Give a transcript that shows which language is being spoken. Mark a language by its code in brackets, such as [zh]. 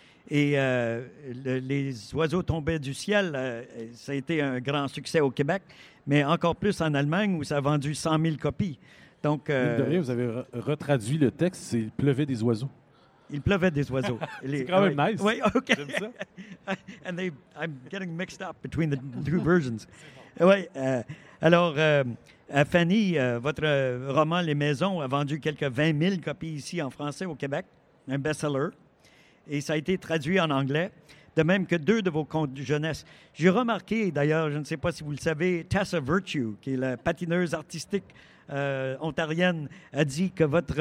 [fr] Et les oiseaux tombaient du ciel, ça a été un grand succès au Québec, mais encore plus en Allemagne, où ça a vendu 100 000 copies. Donc, Vous avez retraduit le texte, c'est « Il pleuvait des oiseaux ». Il pleuvait des oiseaux. C'est quand même nice. Oui, OK. J'aime ça. [en] And I'm getting mixed up between the two versions. [fr] Bon. Oui. Alors, Fanny, votre roman « Les maisons » a vendu quelques 20 000 copies ici en français au Québec, un best-seller. Et ça a été traduit en anglais, de même que deux de vos contes de jeunesse. J'ai remarqué, d'ailleurs, je ne sais pas si vous le savez, Tessa Virtue, qui est la patineuse artistique ontarienne, a dit que votre...